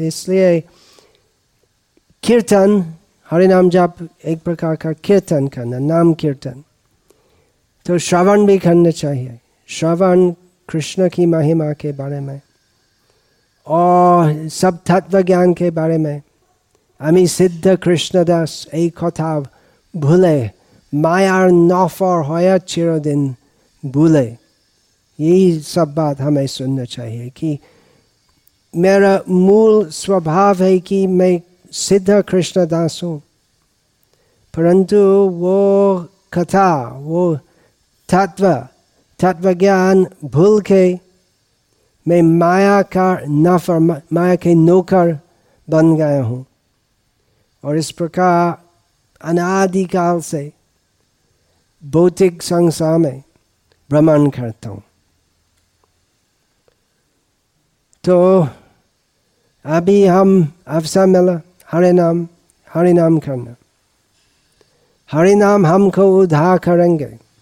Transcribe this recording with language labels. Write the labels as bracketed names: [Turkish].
[Hindi] इसलिए कीर्तन, हरे नाम जप एक प्रकार का कीर्तन करना, नाम कीर्तन. तो श्रवण भी करना चाहिए, श्रवण कृष्ण की महिमा के बारे में और सब तत्व ज्ञान के बारे में. [Bangla] अमी सिद्ध कृष्णदास एक कथा भूले, मायार नफर होया चिरदिन भूले. [Hindi] यही सब बात हमें सुनना चाहिए कि मेरा मूल स्वभाव है कि मैं सिद्ध कृष्णदास हूँ, परंतु वो कथा, वो तत्व ज्ञान भूल के मैं माया का नफर, माया के नौकर बन गया हूँ. और इस प्रकार अनादिकाल से भौतिक संसार में भ्रमण करता हूँ. तो अभी हम अवसर मिला हरे नाम करना. हरे नाम हमको उद्धार करेंगे.